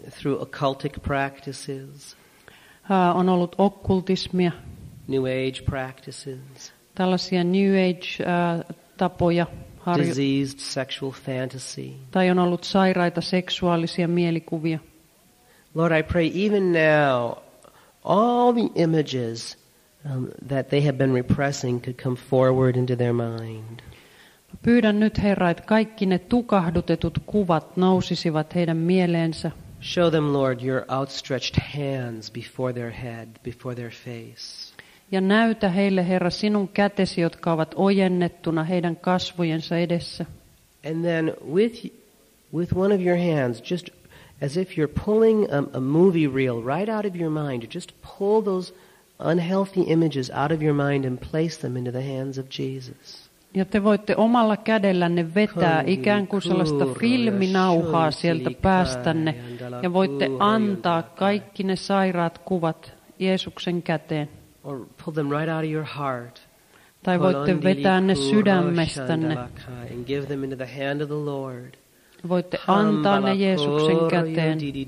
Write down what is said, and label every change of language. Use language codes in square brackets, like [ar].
[en] Through occultic practices. [fi] On ollut okkultismia. [en] New age practices. [fi] Tällaisia new age tapoja. [en] Diseased sexual fantasy. [fi] Tai on ollut sairaita seksuaalisia mielikuvia. [en] Lord, I pray even now all the images that they have been repressing could come forward into their mind. [fi] Pyydän nyt, Herra, että kaikki ne tukahdutetut kuvat nousisivat heidän mieleensä. [en] Show them, Lord, your outstretched hands before their head, before their face. [fi] Ja näytä heille, Herra, sinun kätesi, jotka ovat ojennettuna heidän kasvojensa edessä. [en] And then with one of your hands, just as if you're pulling a movie reel right out of your mind, just pull those unhealthy images out of your mind and place them into the hands of Jesus. [fi] Ja te voitte omalla kädellänne vetää ikään kuin sellaista filminauhaa sieltä päästänne ja voitte antaa kaikki ne sairaat kuvat Jeesuksen käteen. [en] Or pull them right out of your heart. [fi] Tai voitte vetää ne sydämestänne. [en] And give them into the hand of the Lord. [fi] Voitte antaa ne Jeesuksen käteen.